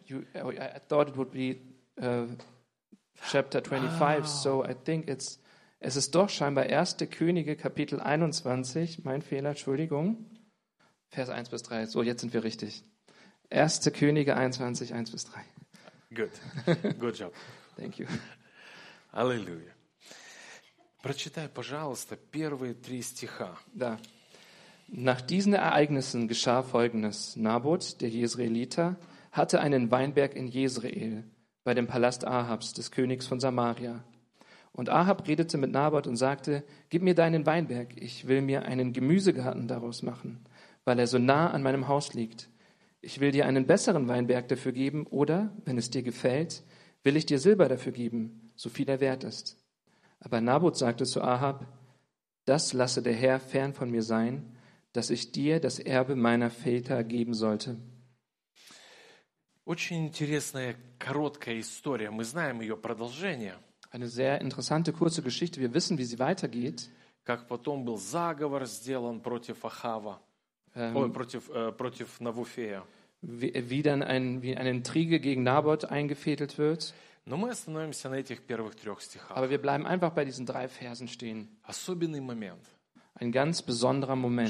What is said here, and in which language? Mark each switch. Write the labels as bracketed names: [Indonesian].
[English] I thought it would be chapter 25. Ah. So I think [German] es ist doch scheinbar erste Könige Kapitel 21. Mein Fehler, Entschuldigung. Vers 1 bis 3. So, jetzt sind wir richtig. Erste Könige 21, 1 bis 3. [English] Good. Good job. Thank you. [German] Halleluja. [Russian] Прочитай, пожалуйста, первые три стиха. Да. [German] Nach diesen Ereignissen geschah Folgendes. Naboth, der Jezreeliter, hatte einen Weinberg in Jezreel, bei dem Palast Ahabs, des Königs von Samaria. Und Ahab redete mit Naboth und sagte, gib mir deinen Weinberg, ich will mir einen Gemüsegarten daraus machen, weil er so nah an meinem Haus liegt. Ich will dir einen besseren Weinberg dafür geben oder, wenn es dir gefällt, will ich dir Silber dafür geben, so viel er wert ist. Aber Naboth sagte zu Ahab, das lasse der Herr fern von mir sein, dass ich dir das Erbe meiner Väter geben sollte. [Russian] Очень интересная, короткая история. Мы знаем ее продолжение. [German] Eine sehr interessante, kurze Geschichte. Wir wissen, wie sie weitergeht. [Russian] Как потом был заговор сделан против Ахава. Против Навуфея. [German] Wie eine Intrige gegen Naboth eingefädelt wird. [Russian] Но мы остановимся на этих первых трех стихах. [German] Aber wir bleiben einfach bei diesen drei Versen stehen. [Russian] Особенный момент. [German] Ein ganz besonderer Moment.